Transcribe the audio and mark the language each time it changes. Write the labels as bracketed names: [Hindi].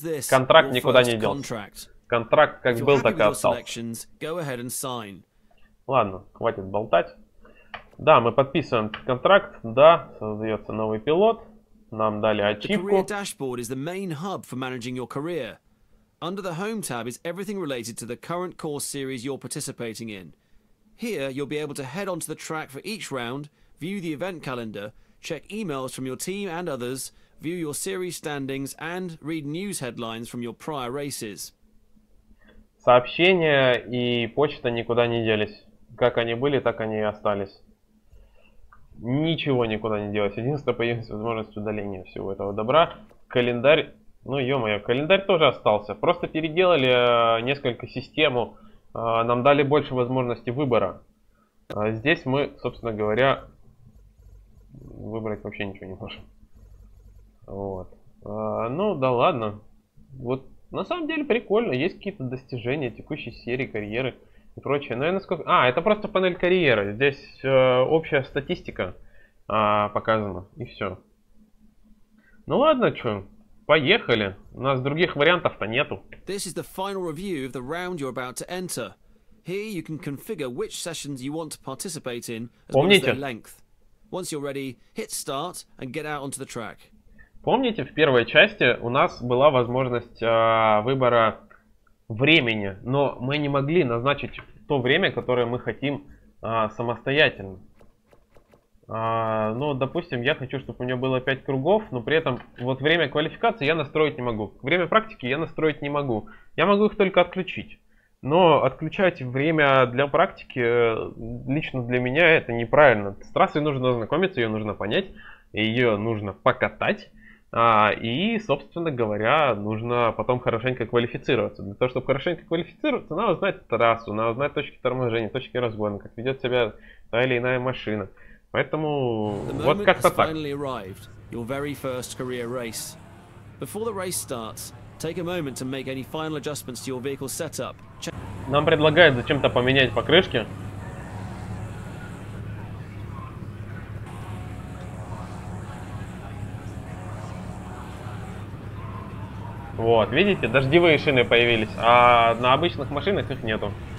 [Russian] Контракт никуда не делся. Контракт как был, так и остался. Ладно, хватит болтать. Да, мы подписываем контракт. Да, создается новый пилот. Нам дали ачивку. [English] Career dashboard is the main hub for managing your career. Under the home tab is everything related to the current course series you're participating in. Here you'll be able to head onto the track for each round, view the event calendar, check emails from your team and others, view your series standings and read news headlines from your prior races. [Russian] Сообщения и почта никуда не делись. Как они были, так они и остались. Ничего никуда не делось. Единственное, появилась возможность удаления всего этого добра. Календарь, ну ё-моё, календарь тоже остался. Просто переделали несколько систему. Нам дали больше возможностей выбора. Здесь мы, собственно говоря, выбрать вообще ничего не можем. Вот. Ну да ладно. Вот на самом деле прикольно. Есть какие-то достижения текущей серии карьеры. И прочее. Но я насколько... А, это просто панель карьеры. Здесь общая статистика показана. И все. Ну ладно, что. Поехали. У нас других вариантов-то нету. [English] This is the final review of the round you're about to enter. Here you can configure which sessions you want to participate in, as well as their length. Once you're ready, hit start and get out onto the track. [Russian] Помните, в первой части у нас была возможность выбора времени, но мы не могли назначить то время, которое мы хотим самостоятельно. Ну, допустим, я хочу, чтобы у меня было 5 кругов, но при этом вот время квалификации я настроить не могу. Время практики я настроить не могу. Я могу их только отключить. Но отключать время для практики лично для меня это неправильно. С трассой нужно ознакомиться, ее нужно понять, ее нужно покатать. И, собственно говоря, нужно потом хорошенько квалифицироваться. Для того, чтобы хорошенько квалифицироваться, надо знать трассу, надо знать точки торможения, точки разгона, как ведет себя та или иная машина. Поэтому вот как-то так. [English] Your very first career race. Before the race starts, take a moment to make any final adjustments to your vehicle setup. [Russian] Нам предлагают зачем-то поменять покрышки. Вот, видите, дождевые шины появились, а на обычных машинах их нету.